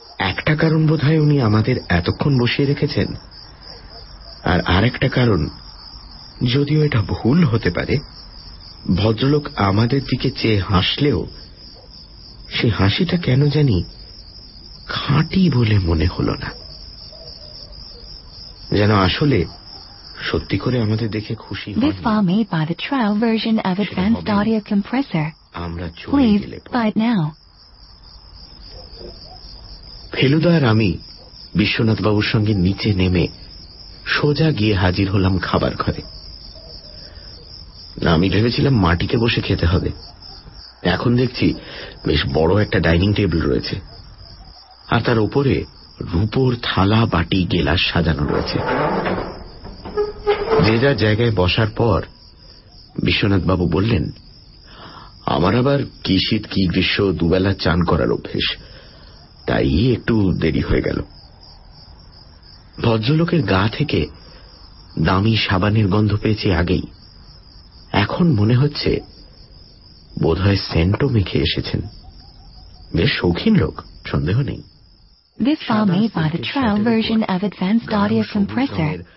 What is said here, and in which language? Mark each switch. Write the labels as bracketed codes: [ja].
[bn] একটা কারণ বোধহয় উনি আমাদের এতক্ষণ বসিয়ে রেখেছেন, আর আরেকটা কারণ, যদিও এটা ভুল হতে পারে, ভদ্রলোক আমাদের দিকে চেয়ে হাসলেও সে হাসিটা কেন জানি খাঁটি বলে মনে হল না। যেন আসলে সত্যি করে আমাদের দেখে খুশি হয়। [en] This file made by the trial version of Advanced Audio Compressor. [bn] আমরা চলে গেলাম। ফেলুদা আর আমি বিশ্বনাথবাবুর সঙ্গে নিচে নেমে সোজা গিয়ে হাজির হলাম খাবার ঘরে। আমি ভেবেছিলাম মাটিতে বসে খেতে হবে, এখন দেখছি বেশ বড় একটা ডাইনিং টেবিল রয়েছে আর তার উপরে রূপোর থালা বাটি গেলাস সাজানো রয়েছে। যে যার জায়গায় বসার পর বিশ্বনাথবাবু বললেন, আমার আবার কি শীত কি গ্রীষ্ম দুবেলা চান করার অভ্যেস, তাই একটু দেরি হয়ে গেল। ভদ্রলোকের গা থেকে দামি সাবানের গন্ধ পেয়েছি আগেই, এখন মনে হচ্ছে বোধহয় সেন্টও মেখে এসেছেন। বেশ শৌখিন লোক, সন্দেহ নেই। [en] This file made by the trial version of Advanced Audio Compressor.